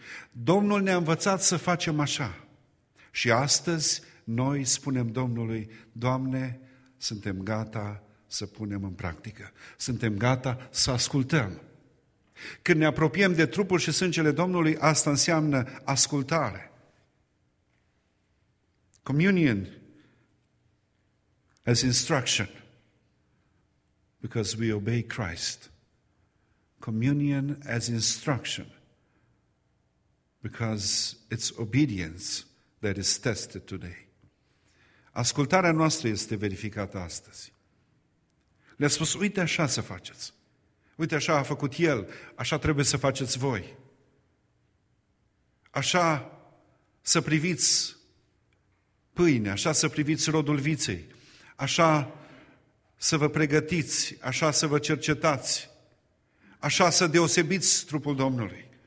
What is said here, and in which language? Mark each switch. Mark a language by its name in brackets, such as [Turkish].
[Romanian] Domnul ne-a învățat să facem așa. Și astăzi noi spunem Domnului, Doamne, suntem gata să punem în practică. Suntem gata să ascultăm. Când ne apropiem de trupul și sângele Domnului, asta înseamnă ascultare. [English] Communion as instruction, because we obey Christ. Communion as instruction, because it's obedience that is tested today. [Romanian] Ascultarea noastră este verificată astăzi. Le-a spus, uite așa să faceți. Uite așa a făcut El, așa trebuie să faceți voi. Așa să priviți pâine, așa să priviți rodul viței, așa să vă pregătiți, așa să vă cercetați, așa să deosebiți trupul Domnului.